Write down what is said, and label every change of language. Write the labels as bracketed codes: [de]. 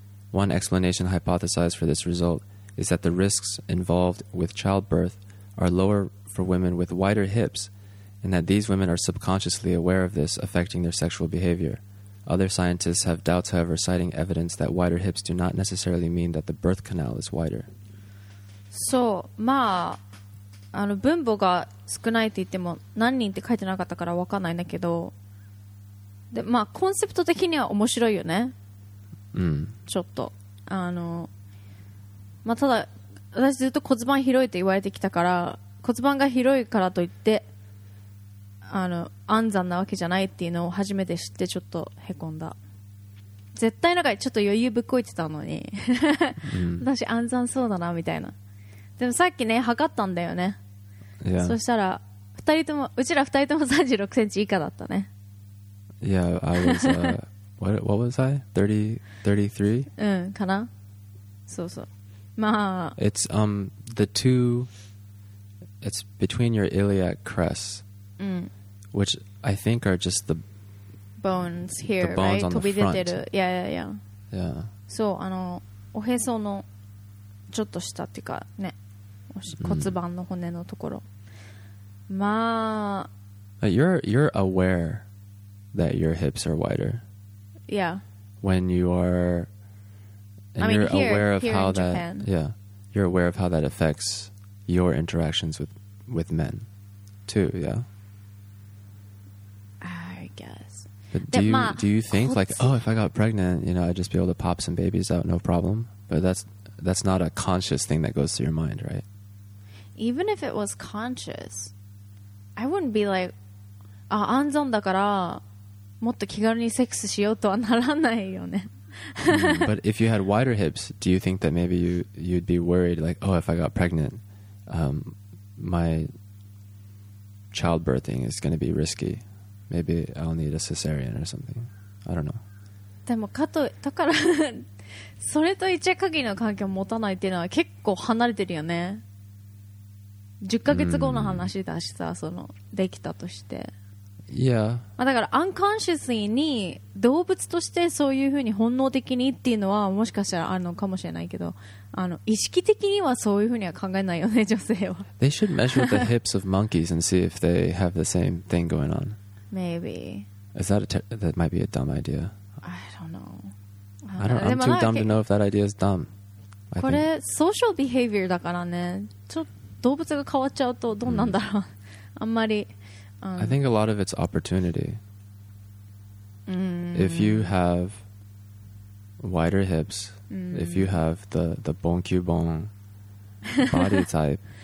[en] One explanation hypothesized for this result is that the risks involved with childbirth are lower for women with wider hips, and that these women are subconsciously aware of this affecting their sexual behavior. Other scientists have doubts, however, citing evidence that wider hips do not necessarily mean that the birth canal is wider. [ja] So, あの分母が少ないって言っても何人って書いてなかったから分かんないんだけど、でまあ、コンセプト的には面白いよね、ちょっとあの、まあ、ただ私ずっと骨盤広いって言われてきたから、骨盤が広いからといってあの安産なわけじゃないっていうのを初めて知ってちょっとへこんだ。絶対なんかちょっと余裕ぶっこいてたのに私安産そうだなみたいな。でもさっきね測ったんだよね、 [en] yeah. [ja] そしたら2人ともうちら2人とも36センチ以下だったね。 [en] Yeah, I was, what was I? 33? [ja] かな?そうそう。まあ。 [en] It's, it's between your iliac crests, which I think are just the bones here, the bones right? on the front. Yeah. [ja] そう、あの、おへそのちょっと下っていうかね、骨盤の骨のところ。まあ。 [en] You're aware. That your hips are wider. Yeah. When you are, and I mean, you're here, aware of here how in that, Japan. Yeah, you're aware of how that affects your interactions with men, too. Yeah. I guess. But do you think like, oh, if I got pregnant, you know, I'd just be able to pop some babies out, no problem. But that's not a conscious thing that goes through your mind, right? Even if it was conscious, I wouldn't be like. [ja] あ、安産だからもっと気軽にセックスしようとはならないよね。 [en] But if you had wider hips, do you think that maybe you'd be worried like, oh, if I got pregnant, my childbirthing is going to be risky. Maybe I'll need a cesarean or something. I don't know. [ja] でもかとだからそれと一夜限りの関係を持たないっていうのは結構離れてるよね。 10ヶ月後の話だしさ、そのできたとして。いや。まあだから [en] unconsciously [ja] に動物としてそういうふうに本能的にっていうのはもしかしたらあるのかもしれないけど、あの意識的にはそういうふうには考えないよね、女性は。 [en] They should measure the hips of monkeys and see if they have the same thing going on. Maybe. Is that a that might be a dumb idea? I don't know. I'm too dumb to know if that idea is dumb. [ja] これ [en] social behavior [ja] だからね。ちょっと動物が変わっちゃうとどうなんだろう。あんまり。 [en] I think a lot of it's opportunity. If you have wider hips, if you have the bon cue bon body type,